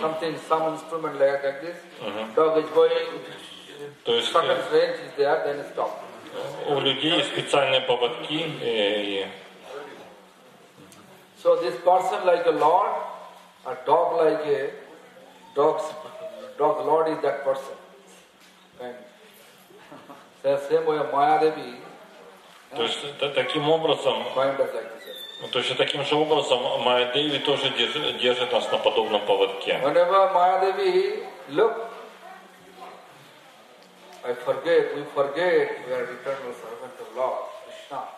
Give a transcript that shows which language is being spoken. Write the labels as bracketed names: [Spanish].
[English] Something, some instrument like this. Dog is going. [Russian] То есть [English] certain range is there, then stop. [Russian] У людей специальные поводки. [English] So this person like a lord, a dog like a dog's dog lord is that person. The same way Maya Devi. [Russian] То есть таким образом. Точно таким же образом Майя Деви тоже держит нас на подобном поводке. [English] Whenever Maya Devi, look, I forget, we forget, we are eternal servant of Lord Krishna.